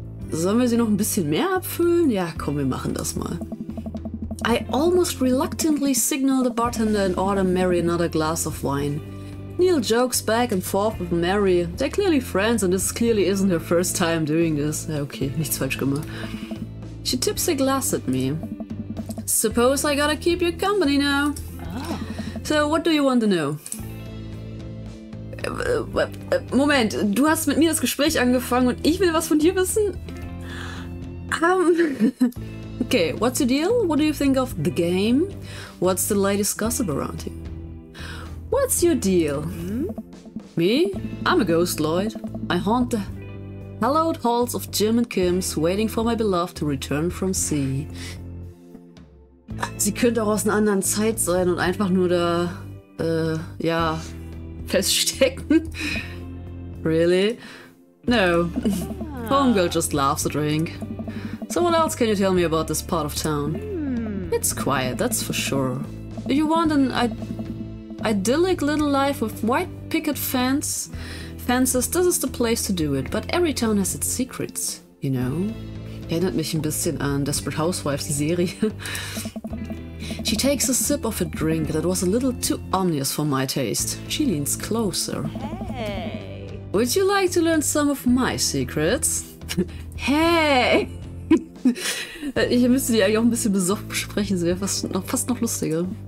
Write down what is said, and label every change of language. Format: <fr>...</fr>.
<de>Sollen wir sie noch ein bisschen mehr abfüllen? Ja, komm, wir machen das mal.</de> <en>I almost reluctantly signal the bartender and order Mary another glass of wine. Neil jokes back and forth with Mary. They're clearly friends and this clearly isn't her first time doing this.</en> <de>Okay, nichts falsch gemacht.</de> <en>She tips a glass at me. Suppose I gotta keep you company now. Oh. So, what do you want to know?</en> <de>Moment, du hast mit mir das Gespräch angefangen und ich will was von dir wissen?</de> <en>Okay, what's your deal? What do you think of the game? What's the latest gossip around you? What's your deal? Mm-hmm. Me? I'm a ghost, Lloyd. I haunt the hallowed halls of Jim and Kim's, waiting for my beloved to return from sea.</en> <de>Sie könnte auch aus einer anderen Zeit sein und einfach nur da, ja, feststecken.</de> <en>Really? No. Homegirl just loves a drink. So what else can you tell me about this part of town? It's quiet, that's for sure. You want an idyllic little life with white picket fences, this is the place to do it. But every town has its secrets, you know?</en> <de>Erinnert mich ein bisschen an Desperate Housewives, die Serie.</de> <en>She takes a sip of a drink that was a little too ominous for my taste. She leans closer. Hey! Would you like to learn some of my secrets? Hey!</en> <de>Ich müsste die eigentlich auch ein bisschen besoffen besprechen, sie wäre fast noch lustiger.</de>